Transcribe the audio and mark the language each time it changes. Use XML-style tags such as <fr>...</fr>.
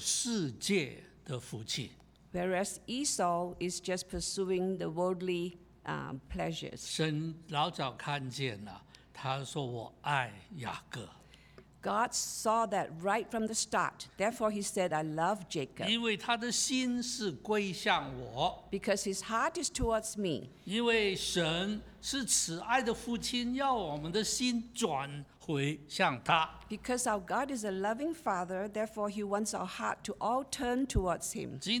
<zh>但是以扫是追求世界的福气。</zh> <en>Whereas Esau is just pursuing the worldly pleasures.</en> <zh>神老早看见了,他说我爱雅各。</zh> <en>God saw that right from the start. Therefore, He said, I love Jacob.</en> <zh>因为他的心是归向我。</zh> <en>Because His heart is towards me.</en> <zh>因为神是慈爱的父亲,要我们的心转回向他。</zh> <en>Because our God is a loving Father, therefore He wants our heart to all turn towards Him.</en>